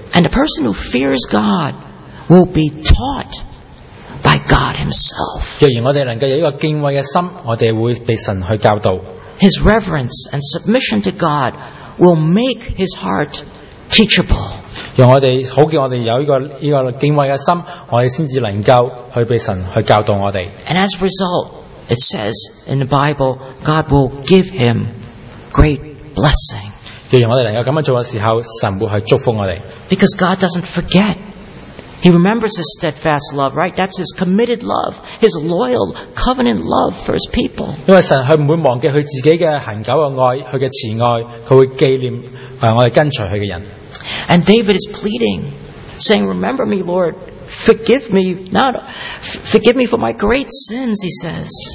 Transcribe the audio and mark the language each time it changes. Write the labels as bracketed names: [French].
[English] And the person who fears God will be taught by God Himself. [Chinese] 若然我们能够有一个敬畏的心，我们会被神去教导。 [English] His reverence and submission to God will make His heart teachable. [Chinese] 让我们好叫我们有这个敬畏的心，我们才能够去被神去教导我们。 [English] And as a result, it says in the Bible, God will give him great blessing. [Chinese] 既然我们能够这样做的时候，神会去祝福我们。 [English] Because God doesn't forget. He remembers his steadfast love, right? That's his committed love, his loyal covenant love for his people. [Chinese] 因为神不会忘记他自己的恒久的爱，他的慈爱，他会纪念我们跟随他的人。 [English] And David is pleading, saying, remember me, Lord, forgive me, not forgive me for my great sins, he says.